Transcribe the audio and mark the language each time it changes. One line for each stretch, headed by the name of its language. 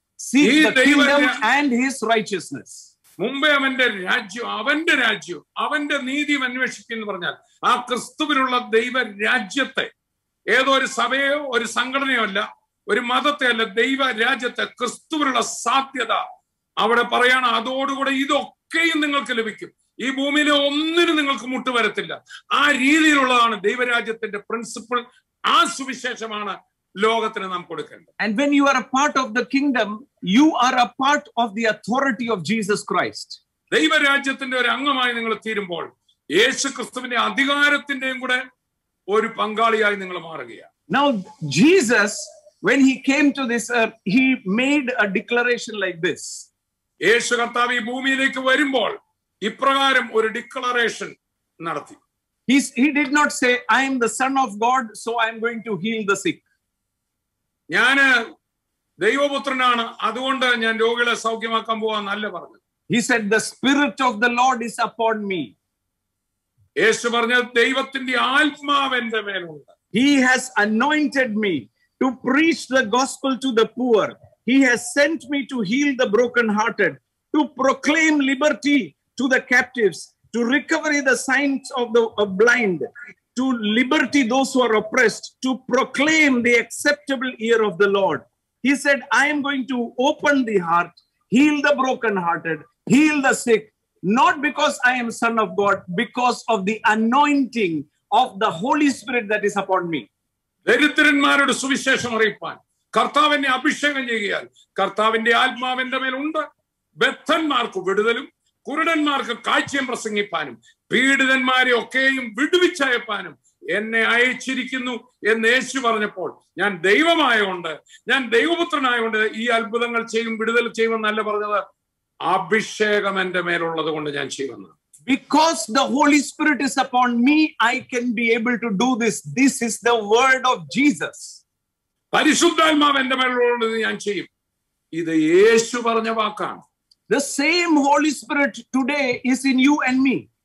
English: Seek the kingdom and his righteousness.
Malayalam: മുമ്പേ അവന്റെ രാജ്യം അവന്റെ രാജ്യം അവന്റെ നീതി അന്വേഷിക്കുന്നു പറഞ്ഞാൽ, ആ ക്രിസ്തുവിനുള്ള ദൈവ രാജ്യത്തെ, ഏതോ ഒരു സഭയോ ഒരു സംഘടനയോ അല്ല, ഒരു മതത്തെ അല്ല, ദൈവ രാജ്യത്തെ, ക്രിസ്തുവിനുള്ള സാധ്യത അവിടെ പറയാണ്. അതോടുകൂടെ ഇതൊക്കെയും നിങ്ങൾക്ക് ലഭിക്കും. ഈ ഭൂമിയിലെ ഒന്നിനും നിങ്ങൾക്ക് മുട്ട് വരത്തില്ല. ആ രീതിയിലുള്ളതാണ് ദൈവരാജ്യത്തിന്റെ പ്രിൻസിപ്പിൾ. ആ സുവിശേഷമാണ് ലോകത്തിന് നാം കൊടുക്കേണ്ടത്.
English: And when you are a part of the kingdom, you are a part of the authority of Jesus Christ.
Malayalam: ദൈവരാജ്യത്തിന്റെ ഒരു അംഗമായി നിങ്ങൾ തീരുമ്പോൾ യേശു ക്രിസ്തുവിന്റെ അധികാരത്തിന്റെയും കൂടെ ഒരു പങ്കാളിയായി നിങ്ങൾ മാറുകയാണ്.
English: Now Jesus, when he came to this earth, he made a declaration like this.
Malayalam: യേശു കർത്താവ് ഈ ഭൂമിയിലേക്ക് വരുമ്പോൾ ഇപ്രകാരം ഒരു ഡിക്ലറേഷൻ നടത്തി.
English: He did not say, I am the son of God, so I am going to heal the sick.
Malayalam: ഞാന് ദൈവപുത്രനാണ്, അതുകൊണ്ട് ഞാൻ രോഗികളെ സൗഖ്യമാക്കാൻ പോവാന്നല്ല പറഞ്ഞു.
English: He said, the spirit of the Lord is upon me.
Malayalam: യേശു പറഞ്ഞു, ദൈവത്തിന്റെ ആത്മാവ് എന്റെ മേലുണ്ട്.
English: He has anointed me to preach the gospel to the poor. He has sent me to heal the brokenhearted, to proclaim liberty to the captives, to recover the sight of the blind, to liberty those who are oppressed, to proclaim the acceptable year of the Lord. He said, I am going to open the heart, heal the brokenhearted, heal the sick, not because I am son of God, because of the anointing of the Holy Spirit that is upon me.
Malayalam: ദരിദ്രന്മാരുടെ സുവിശേഷം അറിയിപ്പാൻ കർത്താവിനെ അഭിഷേകം ചെയ്യുകയാൽ കർത്താവിന്റെ ആത്മാവ് എന്റെ മേലുണ്ട്. ബദ്ധന്മാർക്ക് വിടുതലും കുരുടന്മാർക്ക് കാഴ്ചയും പ്രസംഗിപ്പാനും പീഡിതന്മാരെ ഒക്കെയും വിടുവിച്ചയപ്പാനും എന്നെ അയച്ചിരിക്കുന്നു എന്ന് യേശു പറഞ്ഞപ്പോൾ, ഞാൻ ദൈവമായോണ്ട് ഞാൻ ദൈവപുത്രനായോണ്ട് ഈ അത്ഭുതങ്ങൾ ചെയ്യും വിടുതൽ ചെയ്യുമെന്നല്ല പറഞ്ഞത്, അഭിഷേകം എന്റെ മേലുള്ളത് കൊണ്ട് ഞാൻ ചെയ്യുന്നത്.
English: Because the Holy Spirit is upon me, I can be able to do this. This is the word of Jesus.
Malayalam: പരിശുദ്ധാത്മാവ് എന്റെ മേലുള്ളത് ഞാൻ ചെയ്യും, ഇത് യേശു പറഞ്ഞ വാക്കാണ്.
English: The same Holy Spirit today is in you and me.